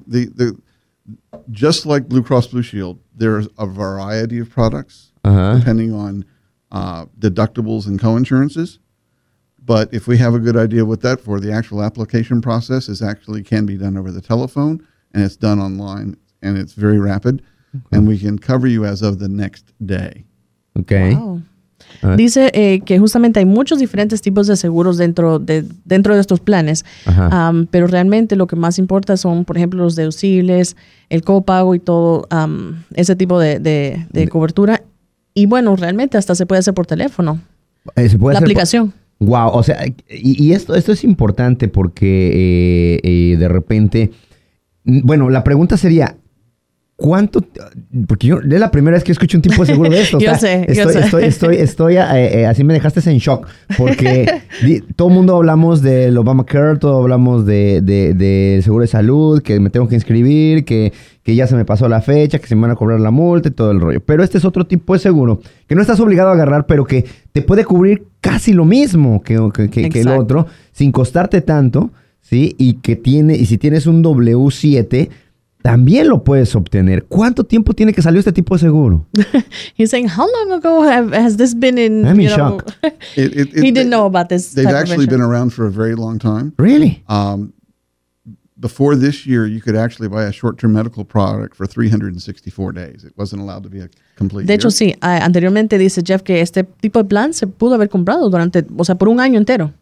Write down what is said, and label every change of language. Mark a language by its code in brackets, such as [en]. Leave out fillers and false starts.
[en] The just like Blue Cross Blue Shield, there's a variety of products depending on deductibles and co-insurances. But if we have a good idea what that for, the actual application process can be done over the telephone, and it's done online, and it's very rapid. Okay. And we can cover you as of the next day. Okay. Wow. [es] Dice que justamente hay muchos diferentes tipos de seguros dentro de estos planes, pero realmente lo que más importa son, por ejemplo, los deducibles, el copago y todo ese tipo de cobertura. Y bueno, realmente hasta se puede hacer por teléfono, la aplicación. Wow, o sea, y esto es importante porque de repente, bueno, la pregunta sería... ¿Cuánto? Porque yo es la primera vez que escucho un tipo de seguro de esto. Yo sé, así me dejaste en shock, porque todo el mundo hablamos del Obamacare, todo hablamos del seguro de salud, que me tengo que inscribir, que ya se me pasó la fecha, que se me van a cobrar la multa y todo el rollo. Pero este es otro tipo de seguro que no estás obligado a agarrar, pero que te puede cubrir casi lo mismo que el otro, sin costarte tanto, ¿sí? Y si tienes un W-7... también lo puedes obtener. ¿Cuánto tiempo tiene que salió este tipo de seguro? [en] He's saying, how long ago has this been in... I'm in shock. He didn't know about this. They've actually been around for a very long time. Really? Before this year, you could actually buy a short-term medical product for 364 days. It wasn't allowed to be a complete [es] year. De hecho, sí. Anteriormente dice Jeff que este tipo de plan se pudo haber comprado por un año entero.